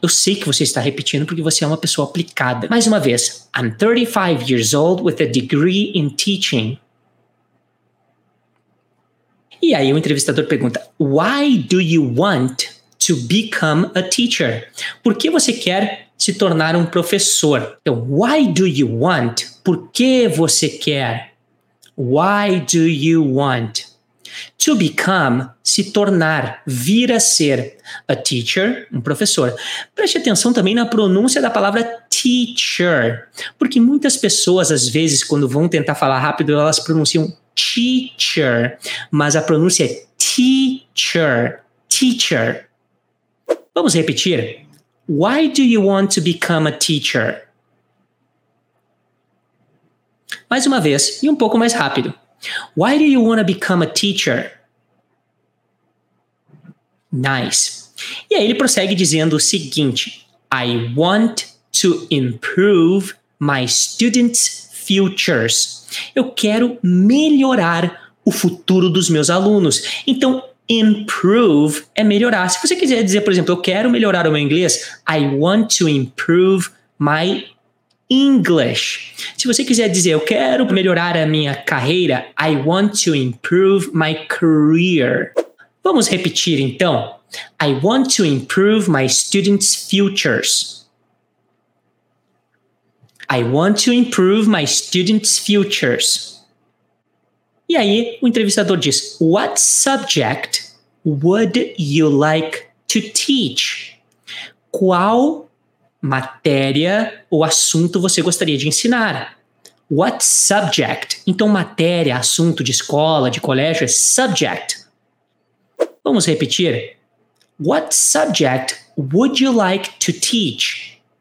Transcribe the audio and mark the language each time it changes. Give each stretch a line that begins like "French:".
Portuguese: Eu sei que você está repetindo porque você é uma pessoa aplicada. Mais uma vez.
English: I'm 35 years old with a degree in teaching.
Portuguese: E aí o entrevistador pergunta,
English: why do you want to become a teacher?
Portuguese: Por que você quer se tornar um professor? Então,
English: why do you want?
Portuguese: Por que você quer?
English: Why do you want? To become,
Portuguese: se tornar, vir a ser,
English: a teacher,
Portuguese: um professor. Preste atenção também na pronúncia da palavra teacher, porque muitas pessoas, às vezes, quando vão tentar falar rápido, elas pronunciam teacher, mas a pronúncia é teacher, teacher. Vamos repetir?
English: Why do you want to become a teacher?
Portuguese: Mais uma vez, e um pouco mais rápido.
English: Why do you want to become a teacher? Nice.
Portuguese: E aí ele prossegue dizendo o seguinte:
English: I want to improve my students' futures.
Portuguese: Eu quero melhorar o futuro dos meus alunos. Então, improve é melhorar. Se você quiser dizer, por exemplo, eu quero melhorar o meu inglês,
English: I want to improve my English.
Portuguese: Se você quiser dizer, eu quero melhorar a minha carreira,
English: I want to improve my career.
Portuguese: Vamos repetir então.
English: I want to improve my students' futures. I want to improve my students' futures.
Portuguese: E aí, o entrevistador diz,
English: what subject would you like to teach?
Portuguese: Qual matéria ou assunto você gostaria de ensinar?
English: What subject?
Portuguese: Então, matéria, assunto de escola, de colégio, é subject. Vamos repetir.
English: What subject would you like to teach?